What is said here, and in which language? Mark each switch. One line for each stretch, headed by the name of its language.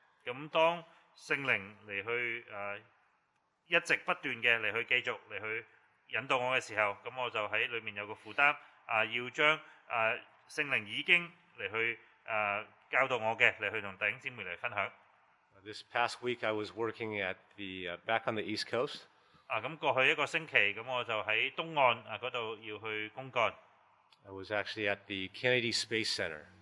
Cantonese: 咁當聖靈嚟去一直不斷嘅嚟去繼續嚟去引導我嘅時候，咁我就喺裏面有個負擔要將聖靈已經嚟去教導我嘅，嚟去同弟兄姊妹嚟分享。
English: This past week I was working at the back on the East Coast.
Cantonese: 咁過去一個星期，咁我就喺東岸嗰度要去公幹。
English: I was actually at the Kennedy Space Center.